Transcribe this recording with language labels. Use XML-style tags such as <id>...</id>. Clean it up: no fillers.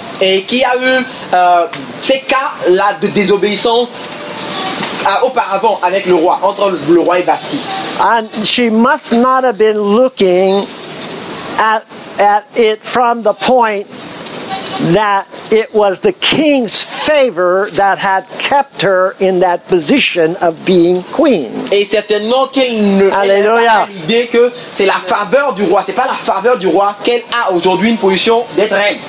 <fr>Et qui a eu ces cas là de désobéissance auparavant avec le roi, entre le roi et Vashti.</fr> <en>And she must not have been looking at it from the point that it was the king's favor that had kept her in that position of being queen.</en> <fr>Et certainement qu'elle ne Alléluia. Pas l'idée que c'est la faveur du roi, c'est pas la faveur du roi qu'elle a aujourd'hui une position d'être reine.</fr>